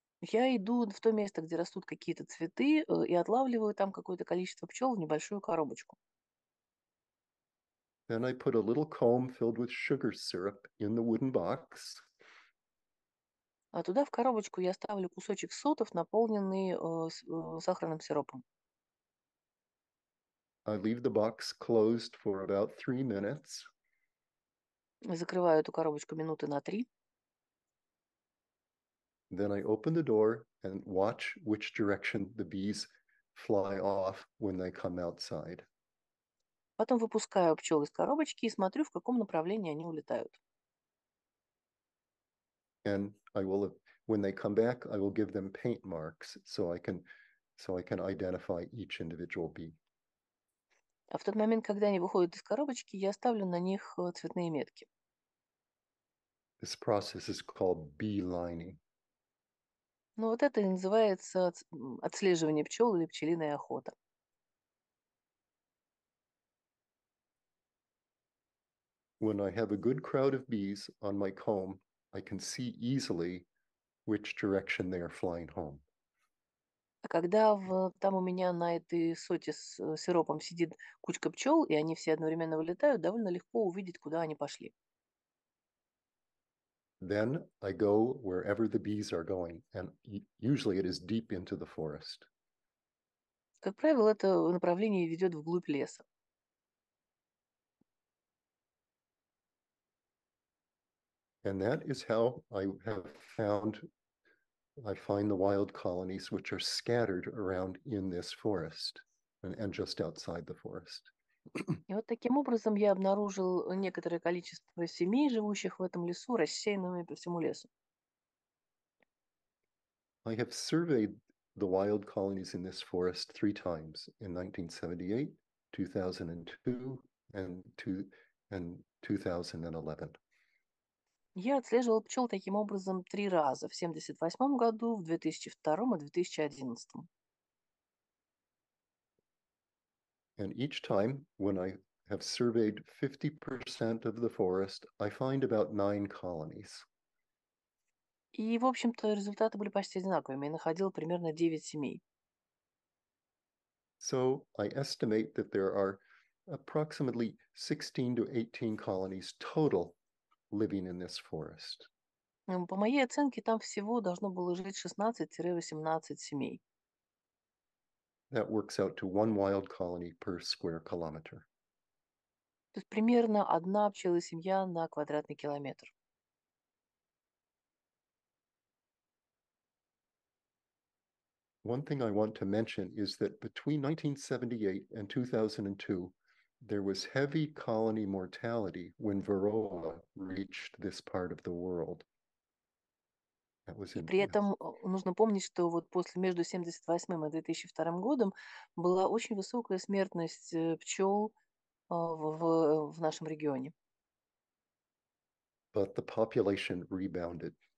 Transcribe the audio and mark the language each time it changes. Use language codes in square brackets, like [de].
[ru] Я иду в то место, где растут какие-то цветы, и отлавливаю там какое-то количество пчел в небольшую коробочку. [en] Then I put a little comb filled with sugar syrup in the wooden box. [ru] А туда в коробочку я ставлю кусочек сотов, наполненный сахарным сиропом. [en] I leave the box closed for about 3 minutes. [ru] Закрываю эту коробочку минуты на три. [en] Then I open the door and watch which direction the bees fly off when they come outside. [ru] Потом выпускаю пчел из коробочки и смотрю, в каком направлении они улетают. [en] And I will, when they come back, I will give them paint marks so I can identify each individual bee. [ru] А в тот момент, когда они выходят из коробочки, я ставлю на них цветные метки. [en] This process is called bee lining. [ru] Ну вот это и называется отслеживание пчел или пчелиная охота. [en] When I have a good crowd of bees on my comb, I can see easily which direction they are flying home. [ru] А когда там у меня на этой соте с сиропом сидит кучка пчел, и они все одновременно вылетают, довольно легко увидеть, куда они пошли. [en] Then I go wherever the bees are going, and usually it is deep into the forest. [ru] Как правило, это направление ведет вглубь леса. [en] And that is how I find the wild colonies, which are scattered around in this forest and just outside the forest. [ru] И вот таким образом я обнаружил некоторое количество семей, живущих в этом лесу, рассеянными по всему лесу. [en] I have surveyed the wild colonies in this forest 3 times in 1978, 2002, and 2011. [ru] Я отслеживал пчел таким образом 3 раза, в 1978 году, в 2002 и 2011. [en] And each time when I have surveyed 50% of the forest, I find about 9 colonies. [ru] И, в общем-то, результаты были почти одинаковыми. Я находил примерно 9 семей. [en] So I estimate that there are approximately 16 to 18 colonies total living in this forest. [ru] По моей оценке, там всего должно было жить 16-18 семей. [en] That works out to 1 wild colony per square kilometer. [ru] То есть примерно 1 пчелосемья на квадратный километр. [en] One thing I want to mention is that between 1978 and 2002, there was heavy colony mortality when varroa reached this part of the world. [ru] И при этом нужно помнить, что вот после между 78 и 2002 годом была очень высокая смертность пчел в нашем регионе. [en] But the population rebounded.